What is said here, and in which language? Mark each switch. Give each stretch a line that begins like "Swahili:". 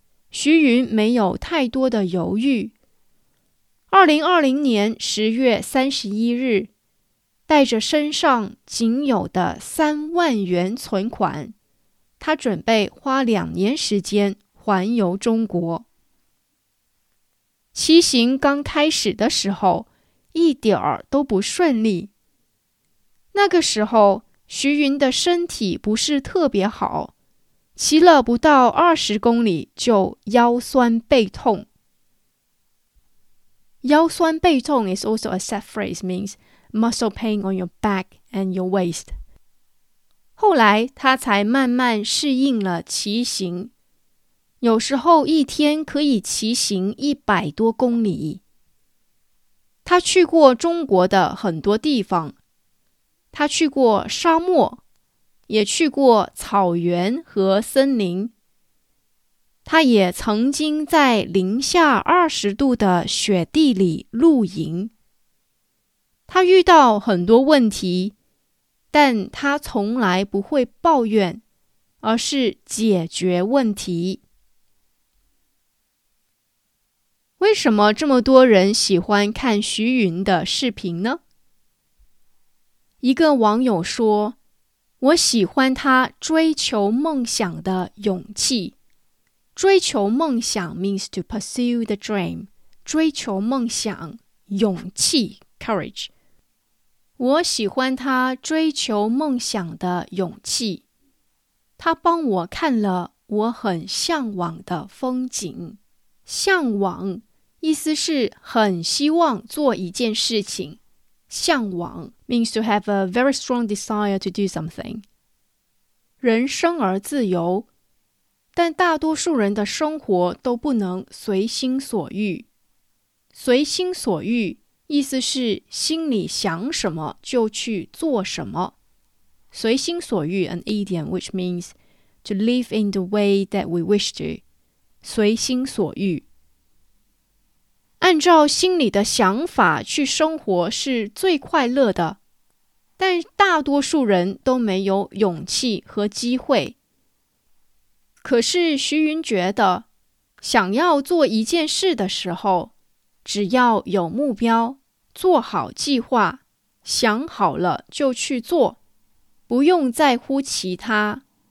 Chinese: 徐云没有太多的犹豫。2020年10月31日，带着身上仅有的3万元存款，他准备花2年时间环游中国。骑行刚开始的时候，一点儿都不顺利。那个时候，徐云的身体不是特别好，骑了不到20公里就腰酸背痛。
English: 腰酸背痛 is also a set phrase, means muscle pain on your back and your waist.
Chinese: 后来他才慢慢适应了骑行，有时候一天可以骑行100多公里。他去过中国的很多地方，他去过沙漠，也去过草原和森林。他也曾经在-20度的雪地里露营。他遇到很多问题，但他从来不会抱怨，而是解决问题。为什么这么多人喜欢看徐云的视频呢？一个网友说，我喜欢他追求梦想的勇气。
English: 追求梦想 means to pursue the dream.
Chinese: 追求梦想，勇气 ,courage. 我喜欢他追求梦想的勇气。他帮我看了我很向往的风景。向往意思是很希望做一件事情。
English: 向往 means to have a very strong desire to do something.
Chinese: 人生而自由，但大多数人的生活都不能随心所欲。随心所欲意思是心里想什么就去做什么。
English: 随心所欲 an idiom which means to live in the way that we wish to.
Chinese: 随心所欲。按照心里的想法去生活是最快乐的，但大多数人都没有勇气和机会。可是徐云觉得，想要做一件事的时候，只要有目标，做好计划，想好了就去做，不用在乎其他。